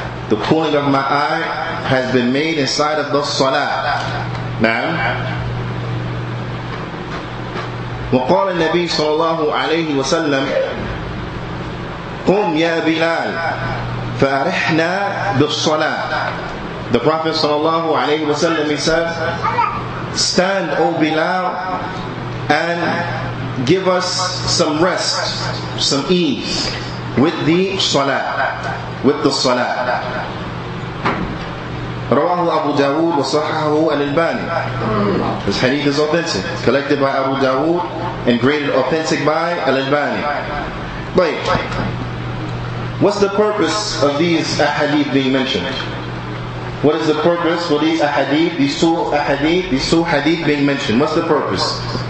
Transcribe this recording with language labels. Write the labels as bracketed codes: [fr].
[en] The cooling of my eye has been made inside of the salah. Now, [ar] وقال النبي صلى الله عليه وسلم قم يا بلال فأرحنا بالصلاة. [en] The Prophet [ar] صلى الله عليه وسلم [en] said, stand O Bilal and give us some rest, some ease with the salah, with the salah. [ar] رواه أبو داود وصححه الألباني. [en] This hadith is authentic, collected by Abu Dawood and graded authentic by Al-Albani. طيب, what's the purpose of these ahadith being mentioned? What is the purpose for these ahadith, these two hadith being mentioned? What's the purpose?